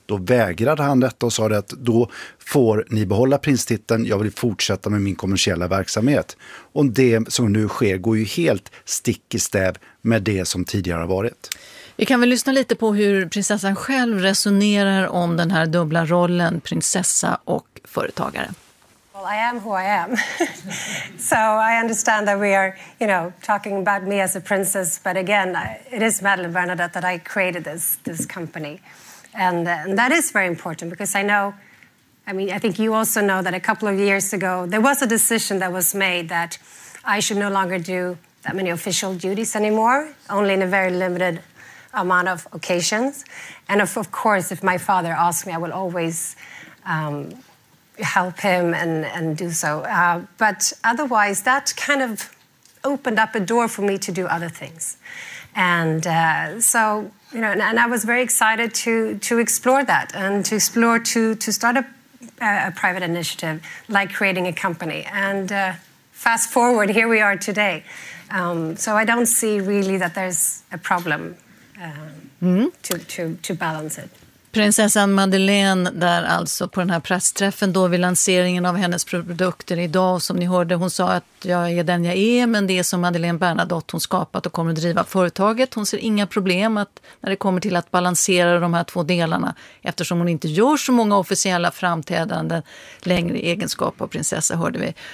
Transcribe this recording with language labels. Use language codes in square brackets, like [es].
[sv] Då vägrade han detta och sa det att då får ni behålla prinstiteln, jag vill fortsätta med min kommersiella verksamhet. Och det som nu sker går ju helt stick i stäv med det som tidigare har varit. Vi kan väl lyssna lite på hur prinsessan själv resonerar om den här dubbla rollen, prinsessa och företagare. [en] Well, I am who I am. So I understand that we are, you know, talking about me as a princess, but again, it is Madeleine Bernadette that I created this company. And that is very important because I know, I mean, I think you also know that a couple of years ago, there was a decision that was made that I should no longer do that many official duties anymore, only in a very limited amount of occasions. And of course, if my father asked me, I will always help him and do so. But otherwise, that kind of opened up a door for me to do other things. And so, you know, and I was very excited to explore that and to explore to start a private initiative like creating a company. And fast forward, here we are today. So I don't see really that there's a problem to balance it. [sv] Prinsessan Madeleine där alltså på den här pressträffen då vid lanseringen av hennes produkter idag. Som ni hörde, hon sa att jag är den jag är, men det är som Madeleine Bernadotte hon skapat och kommer att driva företaget. Hon ser inga problem att, när det kommer till att balansera de här två delarna, eftersom hon inte gör så många officiella framträdanden längre i egenskap av prinsessa, hörde vi.